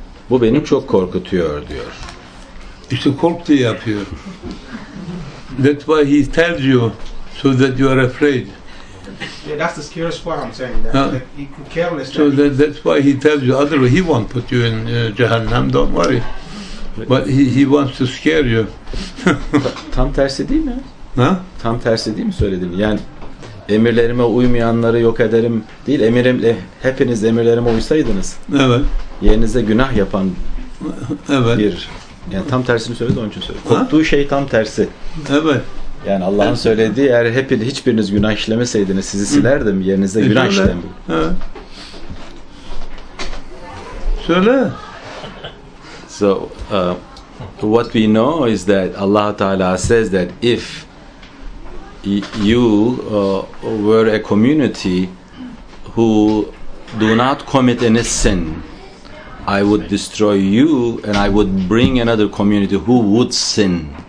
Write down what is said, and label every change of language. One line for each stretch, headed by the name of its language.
Turkish: bu beni çok korkutuyor diyor. İşte korktuğu yapıyor.
English: That's why he tells you so that you are afraid. Yeah, that's the scariest part I'm saying. That, that he could careless. So that's why he tells you, otherwise he won't put you in Jahannam, don't worry. But he wants to scare you.
Turkish: Tam tersi değil mi? Ha? Tam tersi değil mi söyledim? Yani emirlerime uymayanları yok ederim değil, hepiniz emirlerime uysaydınız. Evet. Yerinize günah yapan evet. Bir... Yani tam tersini söyledi, onun için söyledi. Korktuğu şey tam tersi. Evet. Yani Allah'ın söylediği, eğer hiçbiriniz günah işlemeseydiniz, sizi silerdim, yerinizde günah işlemedim. Söyle.
English: So, what we know is that Allah Ta'ala says that if you were a community who do not commit any sin, I would destroy you and I would bring another community who would sin.